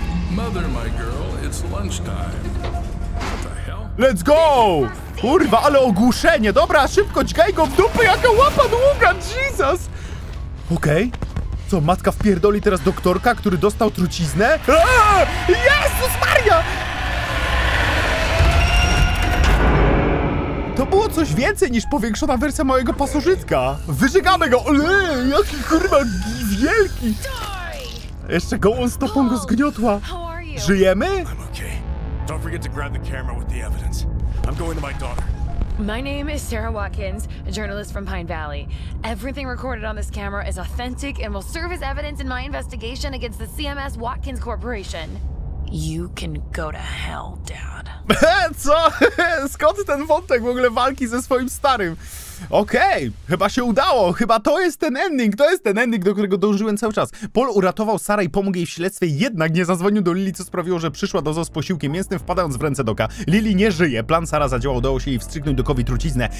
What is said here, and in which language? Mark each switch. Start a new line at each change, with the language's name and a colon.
English: Mother, my girl, it's lunchtime. What the hell? Let's go!
Polish: Kurwa, ale ogłuszenie! Dobra, szybko, dźgaj go w dupę, jaka łapa długa, Jesus! Okej. Co, matka wpierdoli teraz doktorka, który dostał truciznę? Jezus Maria! To było coś więcej niż powiększona wersja mojego pasożytka. Wyżegamy go! Jaki kurwa wielki! Jeszcze gołą stopą go zgniotła. Żyjemy?
English: I'm okay. Don't forget to grab the camera with the evidence. I'm going to my daughter. My name is Sarah Watkins, a journalist from Pine Valley. Everything recorded on this camera is authentic and will serve as evidence in my investigation against the CMS Watkins Corporation. You can go to hell, Dad.
Polish: Co? Skąd ten wątek w ogóle walki ze swoim starym? Okej, okay, chyba się udało, chyba to jest ten ending, do którego dążyłem cały czas. Paul uratował Sarah i pomógł jej w śledztwie, jednak nie zadzwonił do Lily, co sprawiło, że przyszła do ZOO z posiłkiem mięsnym, wpadając w ręce Doka. Lily nie żyje, plan Sarah zadziałał, udało się jej wstrzyknąć Dokowi truciznę.